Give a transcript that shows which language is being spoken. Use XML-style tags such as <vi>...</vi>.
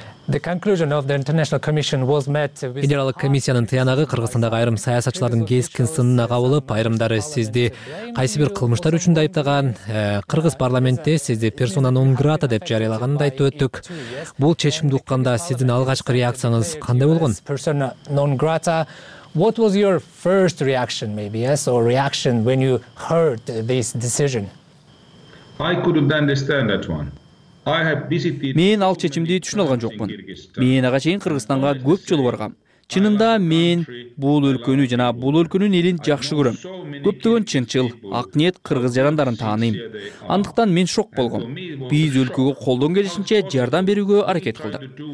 <en>The conclusion of the International Commission was met with</en> <ky>Генералдык комиссиянын тыянагы Кыргызстандагы айрым саясатчылардын кескин сынына кабылып, айрымдары сизди кайсы бир кылмыштар үчүн айыптаган, Кыргыз парламентте сизди персона нон грата деп жарыялаганын айтып өттүк. Бул чечимди укканда сиздин алгачкы реакцияңыз кандай болгон?</ky> <en>Persona non grata. What was your first reaction maybe, yes, or reaction when you heard this decision? I couldn't understand that one.</en> <ky>Мен ал чечимди түшүнө алган жокмун. Мен ага чейин Кыргызстанга көп жолу баргам. Чынында мен бул өлкөнү жана бул өлкөнүн элин жакшы көрөм. Көптөгөн чынчыл, ак ниет кыргыз жарандарын тааныйм. Андыктан мен шок болгом. Биз өлкөгө колдон келишинче жардам берүүгө аракет кылдык.</ky>